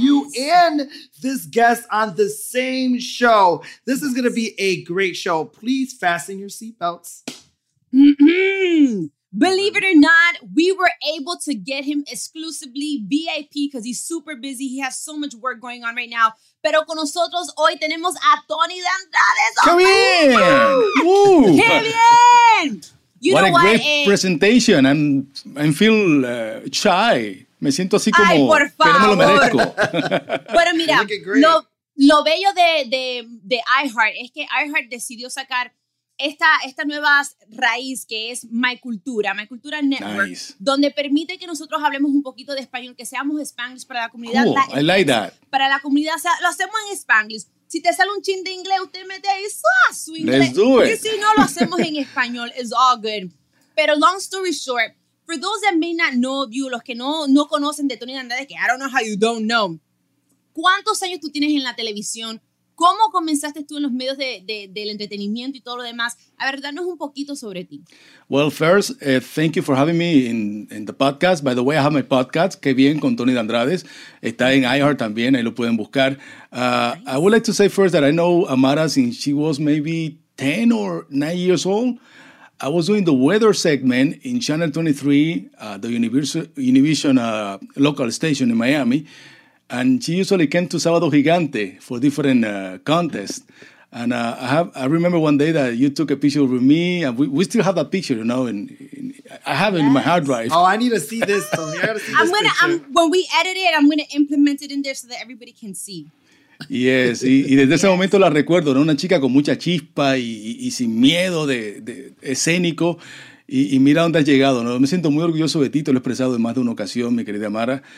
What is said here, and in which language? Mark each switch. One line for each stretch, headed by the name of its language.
English: you and this guest on the same show. This is going to be a great show. Please fasten your seatbelts. Believe it or not, we were able to get him exclusively VIP because he's super busy. He has so much work going on right now.
Spanish: Pero con nosotros hoy tenemos a Tony de Andrades.
English: Come in.
Spanish: Ooh. ¡Qué bien!
English: You what know a what? Great presentation. I feel shy.
Spanish: Me siento así como ay, por favor. Que no me lo merezco. Bueno, mira, lo bello de iHeart es que iHeart decidió sacar esta nueva raíz que es My Cultura Network, nice. Donde permite que nosotros hablemos un poquito de español, que seamos Spanglish para la comunidad.
English: Cool. I like that.
Spanish: Para la comunidad, o sea, lo hacemos en Spanglish. Si te sale un chin de inglés, usted mete ahí su inglés.
English: Let's do it.
Spanish: Y si no, lo hacemos en español.
English: It's all good.
Spanish: Pero
English: long story short, for those that may not know of you,
Spanish: los que no conocen de Tony de Andrade, que
English: I don't know how you don't know,
Spanish: ¿cuántos años tú tienes en la televisión? ¿Cómo comenzaste tú en los medios del entretenimiento y todo lo demás? A ver, danos un poquito sobre ti.
English: Well, first, thank you for having me in the podcast. By the way, I have my podcast, Qué Bien, con Tony de Andrade.
Spanish: Está en iHeart también, ahí lo pueden buscar.
English: Nice. I would like to say first that I know Amara since she was maybe 10 or 9 years old. I was doing the weather segment in Channel 23, the Univision local station in Miami. And she usually came to Sábado Gigante for different contests. And I remember one day that you took a picture with me. And we still have that picture, you know. I have it in my hard drive. Oh, I need to see this. When we edit it, I'm going to implement it in there so that everybody can see.
Spanish: Yes, y desde ese momento la recuerdo, ¿no? Una chica con mucha chispa y sin miedo de escénico. Y mira dónde has llegado, ¿no? Me siento muy orgulloso de ti, te lo he expresado en más de una ocasión, mi querida Mara.